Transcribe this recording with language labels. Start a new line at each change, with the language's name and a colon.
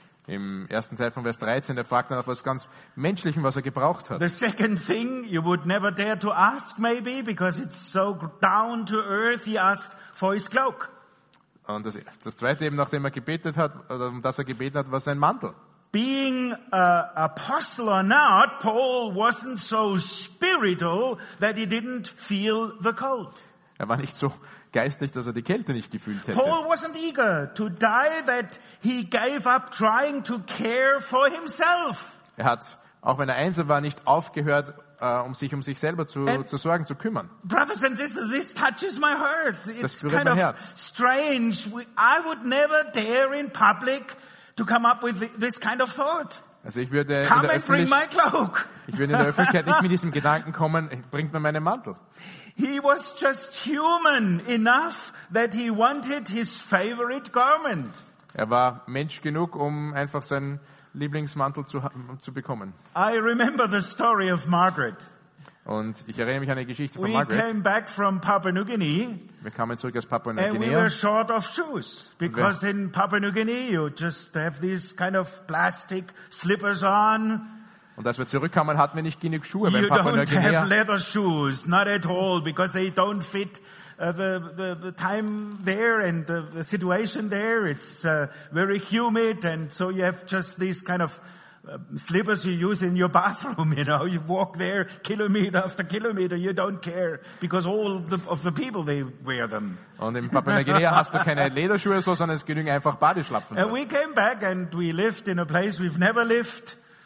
German: Im ersten Teil von Vers 13, er fragt nach was ganz Menschlichem, was er gebraucht hat.
English: The second thing you would never dare to ask, maybe, because it's so down to earth, he asked for his cloak.
German: Und das zweite eben, nachdem er gebetet hat, oder um das er gebeten hat, war sein Mantel.
English: Being an apostle or not, Paul wasn't so spiritual that he didn't feel the cold.
German: Er war nicht so geistlich, dass er die Kälte nicht gefühlt hätte.
English: Paul wasn't eager to die that he gave up trying to care for himself.
German: Er hat, auch wenn er einsam war, nicht aufgehört, um sich selber zu sorgen, zu kümmern.
English: Brothers and sisters, this touches my heart. It's kind of strange. I would never dare in public to come up with this kind of thought.
German: Also ich würde in der Öffentlichkeit nicht mit diesem Gedanken kommen, bringt mir meinen Mantel.
English: He was just human enough that he wanted his favorite garment.
German: Er war Mensch genug, um einfach seinen Lieblingsmantel zu bekommen.
English: I remember the story of Margaret.
German: Und ich erinnere mich an eine Geschichte von
English: we
German: Margaret.
English: We came back from Papua New Guinea.
German: Wir kamen zurück aus Papua New Guinea.
English: And we were short of shoes because in Papua New Guinea you just have these kind of plastic slippers on.
German: Und als wir zurückkamen, hatten wir nicht genug Schuhe.
English: You don't have leather shoes, not at all, because they don't fit the time there and the situation there. It's very humid, and so you have just these kind of slippers you use in your bathroom, you know. You walk there kilometer after kilometer, you don't care, because all of the people, they wear them.
German: Und in Papua-Neuguinea hast du keine Lederschuhe, sondern es genügen einfach Badeschlappen.
English: And we came back, and we lived in a place we've never lived.